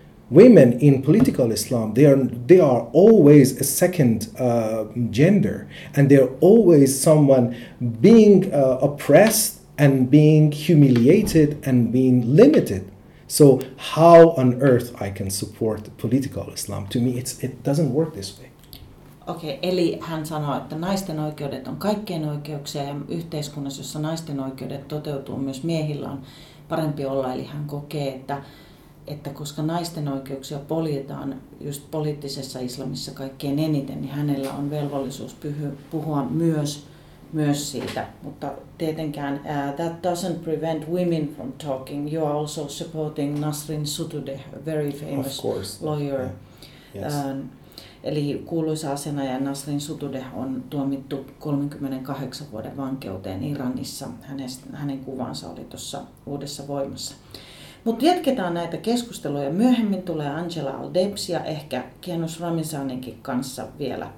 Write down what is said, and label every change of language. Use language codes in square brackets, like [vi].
[en] Women in political Islam, they are always a second gender. And they're always someone being oppressed and being humiliated and being limited. So how on earth I can support political Islam? To me, it doesn't work this way. [fi] Okei, eli hän sanoo, että naisten oikeudet on kaikkien oikeuksia ja yhteiskunnassa, jossa naisten oikeudet toteutuu, myös miehillä on parempi olla. Eli hän kokee, että koska naisten oikeuksia poljetaan just poliittisessa islamissa kaikkein eniten, niin hänellä on velvollisuus puhua myös siitä. Mutta tietenkään, [en] that doesn't prevent women from talking. You are also supporting Nasrin Sotoudeh, a very famous lawyer. Yeah. Yes. [fi] Eli kuuluisa asianaja Nasrin Sotoudeh on tuomittu 38 vuoden vankeuteen Iranissa. Hänen kuvansa oli tuossa Uudessa Voimassa. Mutta jatketaan näitä keskusteluja. Myöhemmin tulee Angela Aldebs ja ehkä Kianush Ramizaninkin kanssa vielä.